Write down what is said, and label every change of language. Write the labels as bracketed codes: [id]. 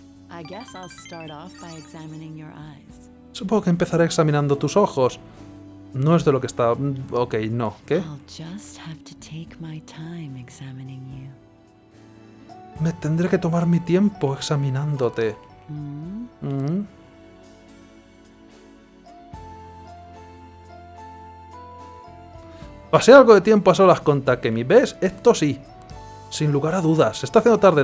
[en] I guess I'll start off by examining your eyes. [es] Supongo que empezaré examinando tus ojos. No es de lo que está... Ok, no. ¿Qué? [en] I'll just have to take my time examining you. [es] Me tendré que tomar mi tiempo examinándote. Pasé algo de tiempo a solas con Takemi. ¿Ves? Esto sí. Sin lugar a dudas. Se está haciendo tarde.